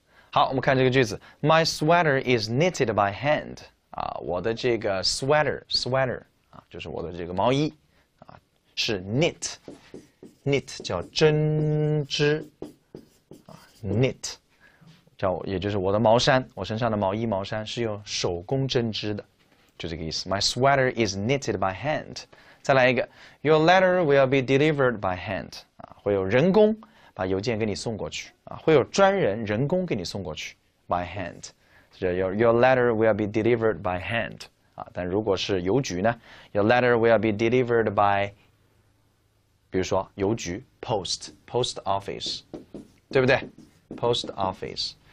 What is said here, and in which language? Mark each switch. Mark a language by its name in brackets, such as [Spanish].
[Chinese] 好，我们看这个句子， [English] My sweater is knitted by hand， [Chinese] 啊，我的这个 sweater 啊，就是我的这个毛衣，啊，是 knit 叫针织，啊，knit。叫，也就是我的毛衫，我身上的毛衣、毛衫是用手工针织的，就这个意思。 [English] My sweater is knitted by hand。 [Chinese] 再来一个， [English] Your letter will be delivered by hand。 [Chinese] 啊，会有人工把邮件给你送过去，啊，会有专人人工给你送过去， [English] by hand。 [Chinese] 这叫 [English] Your letter will be delivered by hand。 [Chinese] 啊，但如果是邮局呢， [English] Your letter will be delivered by， [Chinese] 比如说邮局， [English] post office， [Chinese] 对不对？ [English] post office。